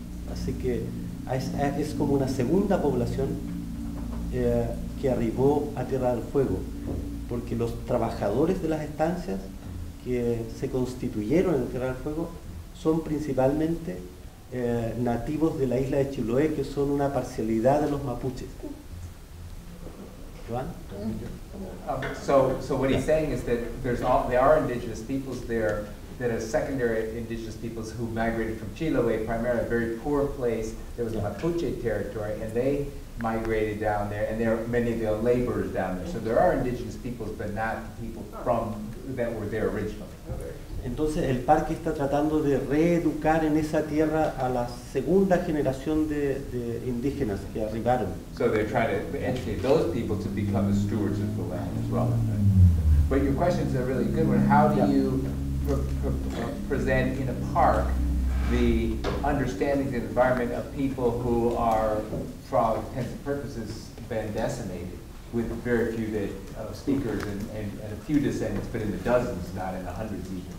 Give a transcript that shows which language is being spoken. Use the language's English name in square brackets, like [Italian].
[Spanish] Así que es como una segunda población que arribó a Tierra del Fuego, porque los trabajadores de las estancias que se constituyeron en Tierra del Fuego son principalmente nativos de la isla de Chiloé, que son una parcialidad de los mapuches. Juan? [English] So what he's saying is that there are indigenous peoples there that are secondary indigenous peoples who migrated from Chiloé, primarily a very poor place. There was a Mapuche territory, and they migrated down there, and there are many of the laborers down there. So there are indigenous peoples, but not people from that were there originally. Okay. [Spanish] Entonces el parque está tratando de reeducar en esa tierra a la segunda generación de indígenas que arribaron. [English] So they're trying to educate those people to become the stewards of the land as well. But your question is a really good one. How do you present in a park the understanding of the environment of people who are, for all intents and purposes, been decimated with very few speakers and a few descendants, but in the dozens, not in the hundreds even.